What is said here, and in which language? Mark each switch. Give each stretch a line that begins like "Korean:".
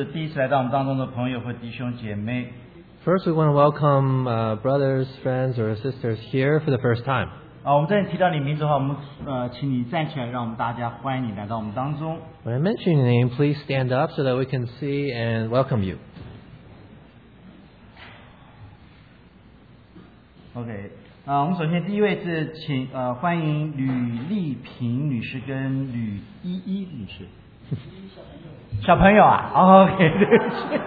Chinese: 我们先欢迎是第一次来到我们当中的朋友和弟兄姐妹。
English: First, we want to welcome brothers, friends, or sisters here for the first time.
Chinese: 我们在提到你名字的话，我们请你站起来，让我们大家欢迎你来到我们当中。
English: When I mention your name, please stand up so that we can see and welcome you. Okay.
Chinese: 我们首先第一位是请欢迎吕丽萍女士跟吕依依女士。小朋友啊,
English: oh, okay,
Chinese: 对不起。